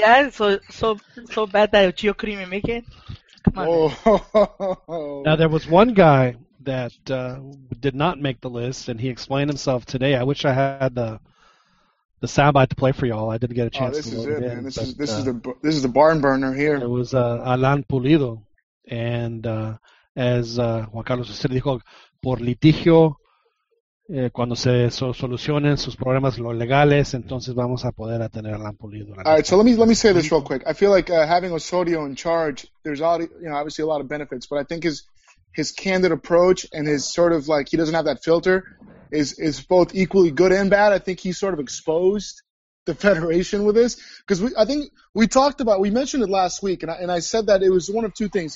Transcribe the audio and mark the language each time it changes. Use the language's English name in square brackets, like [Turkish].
[English] So bad that Gio couldn't even make it? Now, there was one guy that did not make the list, and he explained himself today. I wish I had the soundbite to play for y'all. I didn't get a chance to. This is the barn burner here. It was Alan Pulido, and as Juan Carlos [Spanish] usted dijo, por litigio, cuando se solucionen sus problemas los legales, entonces vamos a poder tener a Alan Pulido. [English] All right, so let me say this real quick. I feel like having Osorio in charge, there's obviously a lot of benefits, but I think his candid approach and his sort of like he doesn't have that filter is both equally good and bad. I think he sort of exposed the Federation with this, because we mentioned it last week, and I said that it was one of two things.